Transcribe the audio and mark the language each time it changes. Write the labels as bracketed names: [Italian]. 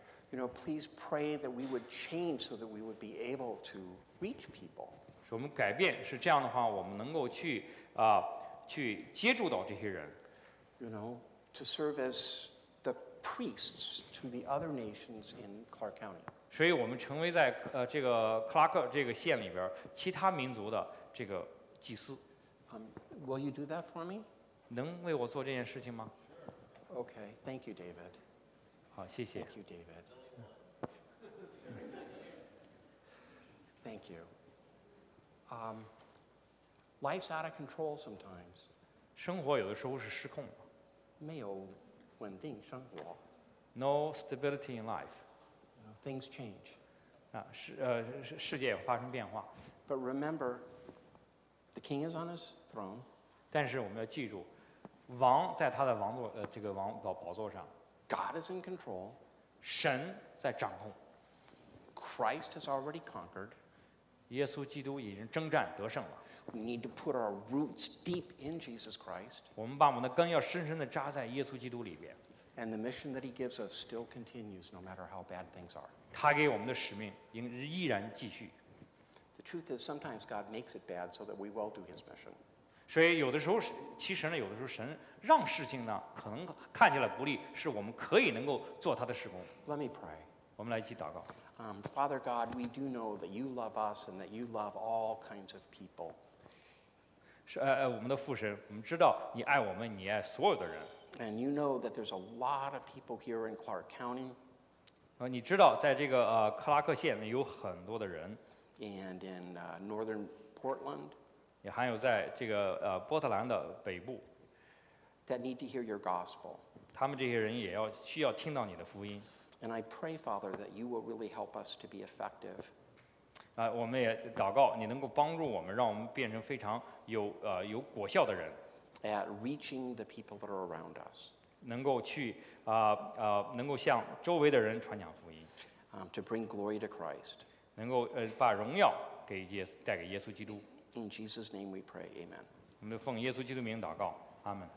[English] You know, please pray that we would change so that we would be able to reach people. [Chinese] 我们改变是这样的话，我们能够去去接触到这些人。 [English] You know, to serve as the priests to the other nations in Clark County. [Chinese] 所以我们成为在这个克拉克这个县里边其他民族的这个祭司。 [English] Will you do that for me? [Chinese] 能为我做这件事情吗？ [English] Okay. Thank you, David. [Chinese] 好，谢谢。 [English] Thank you, David. Thank you. Life's out of control sometimes. [Chinese] 生活有的时候是失控的。没有稳定生活。 [English] No stability in life. You know, things change. [Chinese] 世界发生变化。 [English] But remember, the king is on his throne. [Chinese] 但是我们要记住，王在他的王座这个王宝座上。 [English] God is in control. [Chinese] 神在掌控。 [English] Christ has already conquered. [Chinese] 耶稣基督已经征战得胜了。 [English] We need to put our roots deep in Jesus Christ. [Chinese] 我们把我们的根要深深地扎在耶稣基督里边。 [English] And the mission that he gives us still continues no matter how bad things are. [Chinese] 他给我们的使命依然继续。 [English] The truth is sometimes God makes it bad so that we will do his mission. [Chinese] 所以有的时候其实呢有的时候神让事情呢可能看起来不利是我们可以能够做他的事工。 [English] Let me pray. [Chinese] 我们来一起祷告。 [English] Father God, we do know that you love us and that you love all kinds of people. [Chinese] 我们的父神，我们知道你爱我们，你爱所有的人。 [English] And you know that there's a lot of people here in Clark County. [Chinese] 你知道在这个克拉克县有很多的人。 [English] And in northern Portland. [Chinese] 也还有在这个波特兰的北部。 [English] That need to hear your gospel. [Chinese] 他们这些人也要需要听到你的福音。 [English] And I pray, Father, that you will really help us to be effective. [Chinese] 我们也祷告，你能够帮助我们，让我们变成非常有果效的人。 [English] At reaching the people that are around us. [Chinese] 能够去能够向周围的人传讲福音。 [English] to bring glory to Christ. [Chinese] 能够把荣耀给耶稣带给耶稣基督。 [English] In Jesus' name we pray. Amen. [Chinese] 我们奉耶稣基督名祷告。阿门。